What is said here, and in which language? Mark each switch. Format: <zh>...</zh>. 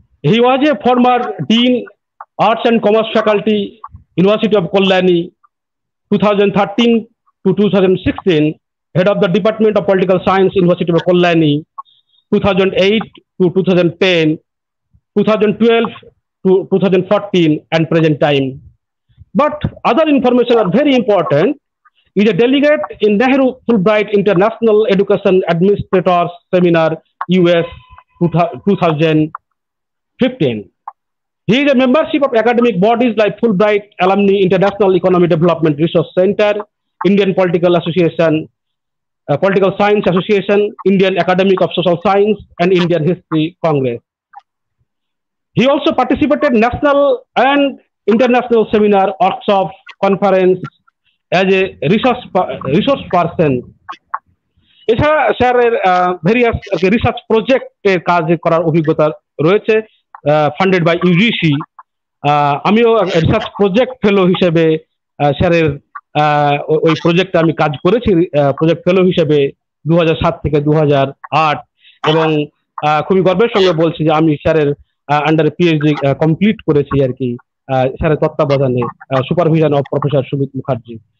<en>He was a former dean arts and commerce faculty university of Kalyani 2013-2016, head of the department of political science university of Kalyani 2008-2010, 2012-2014 and present time. But other information are very important. He is a delegate in Nehru Fulbright International Education Administrators Seminar, US 2015. He is a membership of academic bodies like Fulbright Alumni International Economic Development Research Center, Indian Political Association, Political Science Association, Indian Academy of Social Science, and Indian History Congress. He also participated national and international seminar, workshop, conference as a resource person.</en> <bn>এছাড়া স্যারের various research project এর কাজ করার অভিজ্ঞতা রয়েছে,</bn> <en>funded by UGC.</en> <bn>আমিও research project fellow হিসেবে স্যারের ওই প্রজেক্টে আমি কাজ করেছি, project fellow হিসেবে 2007-2008, এবং খুবই গর্বের সঙ্গে বলছি যে আমি স্যারের আন্ডারে পিএইচডি কমপ্লিট করেছি আর কি, স্যারের তত্ত্বাবধানে, supervision of professor Sumit Mukherjee.</bn>